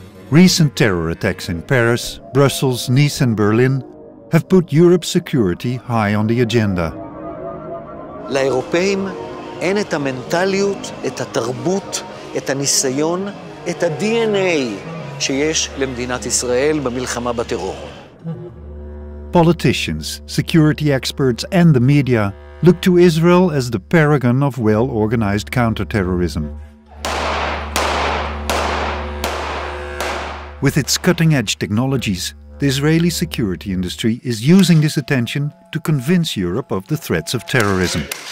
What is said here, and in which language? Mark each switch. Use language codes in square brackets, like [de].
[en] Recent terror attacks in Paris, Brussels, Nice and Berlin have put Europe's security high on the agenda. [he] לאירופאים אין את המנטליות, את התרבות, את הניסיון, את ה-DNA שיש למדינת ישראל במלחמה בטרור. [en] Politicians, security experts and the media look to Israel as the paragon of well-organized counter-terrorism. With its cutting-edge technologies, the Israeli security industry is using this attention to convince Europe of the threats of terrorism.